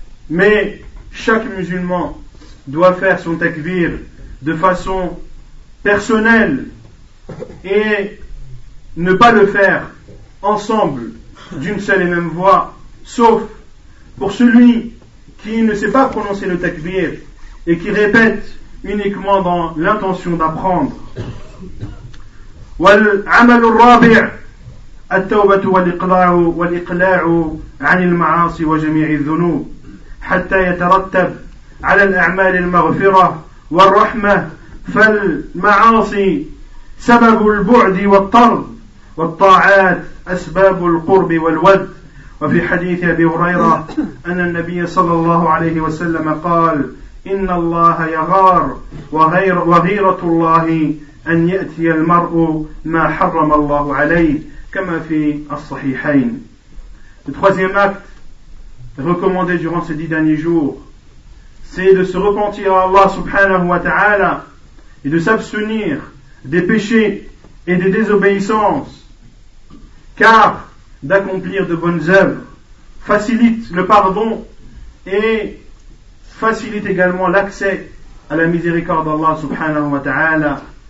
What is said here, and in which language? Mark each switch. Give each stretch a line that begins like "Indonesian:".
French: Mais chaque musulman doit faire son takbir de façon personnelle et ne pas le faire ensemble d'une seule et même voix, sauf pour celui qui ne sait pas prononcer le takbir et qui répète uniquement dans l'intention d'apprendre.
Arabic: والعمل الرابع التوبة والإقلاع عن المعاصي وجميع الذنوب حتى يترتب على الأعمال المغفرة والرحمة، فالمعاصي سبب البعد والطرد، والطاعات أسباب القرب والود. وفي حديث أبي هريرة أن النبي صلى الله عليه وسلم قال: إن الله يغار وغيرة الله أن يأتي المرء ما حرم الله عليه كما في الصحيحين.
French: Le troisième acte recommandé durant ces 10 derniers jours, c'est de se repentir à Allah subhanahu wa ta'ala et de s'abstenir des péchés et des désobéissances, car d'accomplir de bonnes œuvres facilite le pardon et facilite également l'accès à la miséricorde d'Allah subhanahu wa ta'ala.